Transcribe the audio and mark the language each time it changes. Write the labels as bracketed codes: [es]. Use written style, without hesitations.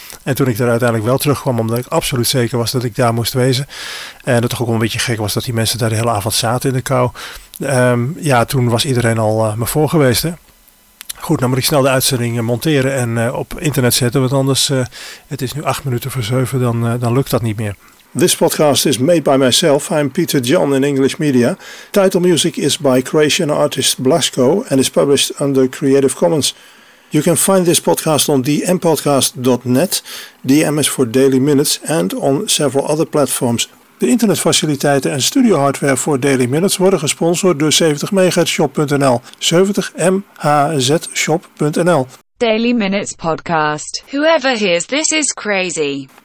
[nl] En toen ik er uiteindelijk wel terugkwam, omdat ik absoluut zeker was dat ik daar moest wezen. En dat toch ook wel een beetje gek was dat die mensen daar de hele avond zaten in de kou. Toen was iedereen al me voor geweest. Hè? Goed, dan moet ik snel de uitzending monteren en op internet zetten. Want anders, het is nu 7:08, dan lukt dat niet meer. [en] This podcast is made by myself. I'm Peter John in English Media. Title music is by Croatian artist Blasco and is published under Creative Commons. You can find this podcast on dmpodcast.net, DM is for Daily Minutes, and on several other platforms. [nl] De internetfaciliteiten en studio hardware voor Daily Minutes worden gesponsord door 70MHzShop.nl, 70MHzShop.nl. [en] Daily Minutes Podcast. Whoever hears this is crazy.